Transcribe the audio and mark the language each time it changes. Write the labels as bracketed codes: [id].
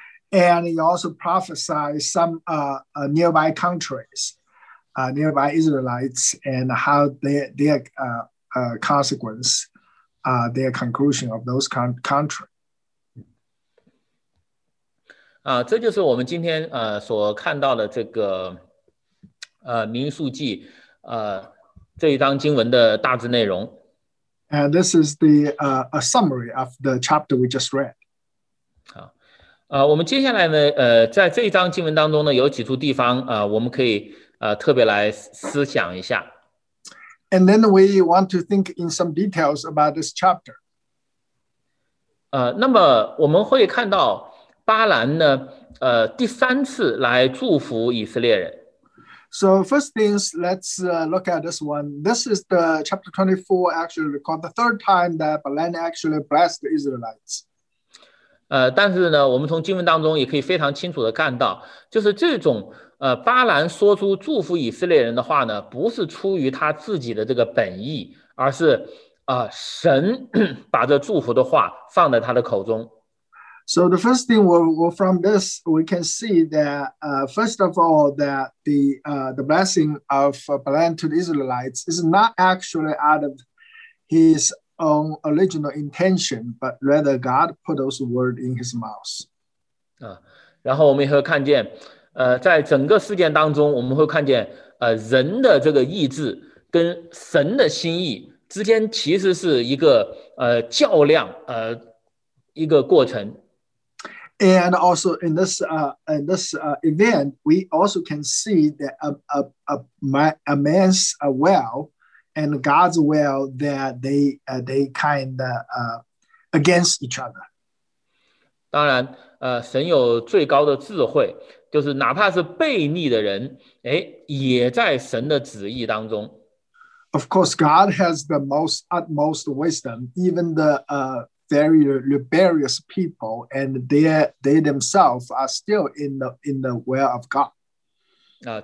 [en] And he also prophesied some nearby countries, nearby Israelites, and how their consequence, their conclusion of those country. [zh] 这就是我们今天所看到的这个民数记这一章经文的大致内容。 [en] And this is the a summary of the chapter we just read. [zh] 我们接下来呢，在这一章经文当中呢，有几处地方我们可以特别来思想一下。 [en] And then we want to think in some details about this chapter. [zh] 那么我们会看到巴兰呢，第三次来祝福以色列人。 [en] So first things, let's look at this one. This is the chapter 24, actually called the third time that Balan actually blessed the Israelites. [zh] 但是呢，我们从经文当中也可以非常清楚的看到，就是这种巴兰说出祝福以色列人的话呢，不是出于他自己的这个本意，而是神把这祝福的话放在他的口中。 [en] So the first thing we're from this, we can see that first of all that the blessing of Balan to the Israelites is not actually out of his. On original intention, but rather God put those words in his mouth. [zh] 然后我们也会看见，在整个事件当中，我们会看见，人的这个意志跟神的心意之间其实是一个较量，一个过程。 [en] And also in this event, we also can see that a man's will. And God's will that they kind of against each other. [zh] 当然，神有最高的智慧，就是哪怕是悖逆的人，也在神的旨意当中。 [en] Of course, God has the most utmost wisdom. Even the very rebellious people and they themselves are still in the will of God.